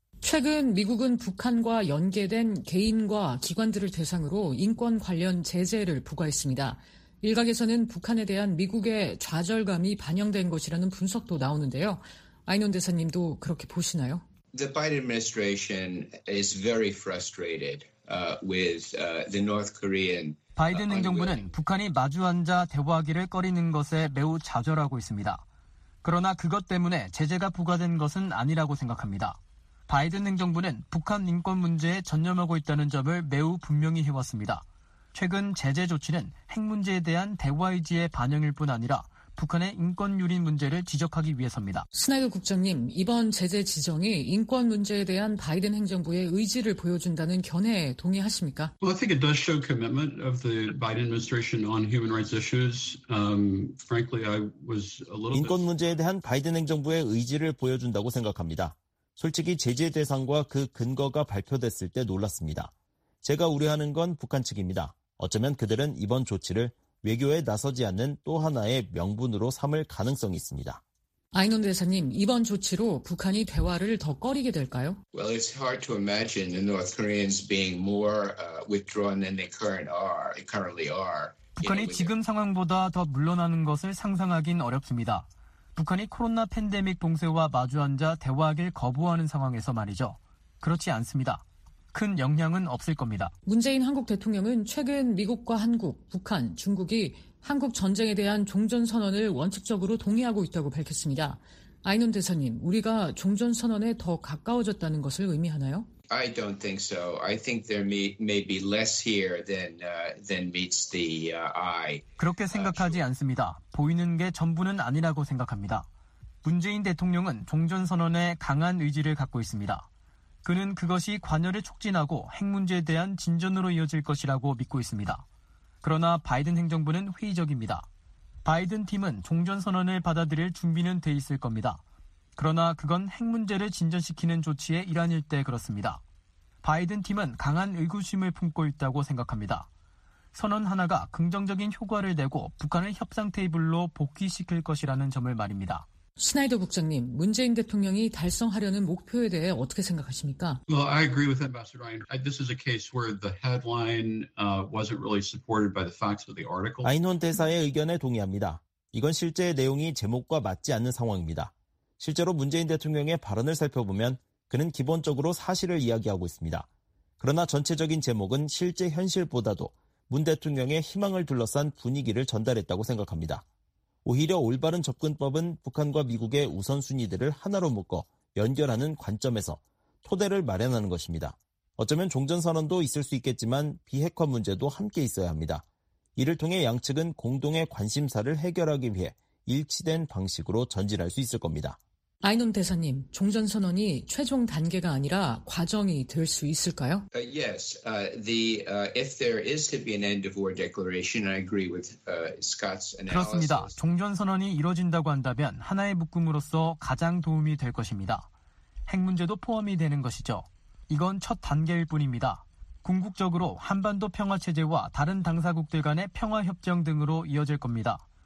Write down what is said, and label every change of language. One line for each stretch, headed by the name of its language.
Korean: 최근 미국은 북한과 연계된 개인과 기관들을 대상으로 인권 관련 제재를 부과했습니다. 일각에서는 북한에 대한 미국의 좌절감이 반영된 것이라는 분석도 나오는데요. 아이논 대사님도 그렇게 보시나요?
English: The Biden administration is very frustrated with the North Korean.
Korean: 바이든 행정부는 북한이 마주앉아 대화하기를 꺼리는 것에 매우 좌절하고 있습니다. 그러나 그것 때문에 제재가 부과된 것은 아니라고 생각합니다. 바이든 행정부는 북한 인권 문제에 전념하고 있다는 점을 매우 분명히 해왔습니다. 최근 제재 조치는 핵 문제에 대한 대화 의지의 반영일 뿐 아니라 북한의 인권 유린 문제를 지적하기 위해서입니다. 스나이더 국장님, 이번 제재 지정이 인권 문제에 대한 바이든 행정부의 의지를 보여준다는 견해에 동의하십니까?
English: Well, I think it does show commitment of the Biden administration on human rights issues. Frankly, I was a little
Korean: 인권 문제에 대한 바이든 행정부의 의지를 보여준다고 생각합니다. 솔직히 제재 대상과 그 근거가 발표됐을 때 놀랐습니다. 제가 우려하는 건 북한 측입니다. 어쩌면 그들은 이번 조치를 외교에 나서지 않는 또 하나의 명분으로 삼을 가능성이 있습니다. 아이논 대사님, 이번 조치로 북한이 대화를 더 꺼리게 될까요?
English: Well, it's hard to imagine the North Koreans being more withdrawn than they currently are.
Korean: 북한이 지금 상황보다 더 물러나는 것을 상상하긴 어렵습니다. 북한이 코로나 팬데믹 봉쇄와 마주앉아 대화하길 거부하는 상황에서 말이죠. 그렇지 않습니다. 큰 영향은 없을 겁니다. 문재인 한국 대통령은 최근 미국과 한국, 북한, 중국이 한국 전쟁에 대한 종전 선언을 원칙적으로 동의하고 있다고 밝혔습니다. 아이논 대사님, 우리가 종전 선언에 더 가까워졌다는 것을 의미하나요?
English: I don't think so. I think there may be less here than meets the eye.
Korean: 그렇게 생각하지 않습니다. 보이는 게 전부는 아니라고 생각합니다. 문재인 대통령은 종전 선언에 강한 의지를 갖고 있습니다. 그는 그것이 관여를 촉진하고 핵 문제에 대한 진전으로 이어질 것이라고 믿고 있습니다. 그러나 바이든 행정부는 회의적입니다. 바이든 팀은 종전선언을 받아들일 준비는 돼 있을 겁니다. 그러나 그건 핵 문제를 진전시키는 조치의 일환일 때 그렇습니다. 바이든 팀은 강한 의구심을 품고 있다고 생각합니다. 선언 하나가 긍정적인 효과를 내고 북한을 협상 테이블로 복귀시킬 것이라는 점을 말입니다. 스나이더 국장님, 문재인 대통령이 달성하려는 목표에 대해 어떻게 생각하십니까?
English: Well, I agree with Ambassador Ryan. This is a case where the headline wasn't really supported by the facts of the article.
Korean: 아이논 대사의 의견에 동의합니다. 이건 실제 내용이 제목과 맞지 않는 상황입니다. 실제로 문재인 대통령의 발언을 살펴보면 그는 기본적으로 사실을 이야기하고 있습니다. 그러나 전체적인 제목은 실제 현실보다도 문 대통령의 희망을 둘러싼 분위기를 전달했다고 생각합니다. 오히려 올바른 접근법은 북한과 미국의 우선순위들을 하나로 묶어 연결하는 관점에서 토대를 마련하는 것입니다. 어쩌면 종전선언도 있을 수 있겠지만 비핵화 문제도 함께 있어야 합니다. 이를 통해 양측은 공동의 관심사를 해결하기 위해 일치된 방식으로 전진할 수 있을 겁니다. 아이논 대사님, 종전선언이 최종 단계가 아니라 과정이 될 수 있을까요?
English: Yes, if there is to be an end of war declaration, I agree with Scott's analysis.
Korean: 그렇습니다. 종전선언이 이뤄진다고 한다면 하나의 묶음으로서 가장 도움이 될 것입니다. 핵 문제도 포함이 되는 것이죠. 이건 첫 단계일 뿐입니다. 궁극적으로 한반도 평화체제와 다른 당사국들 간의 평화협정 등으로 이어질 겁니다.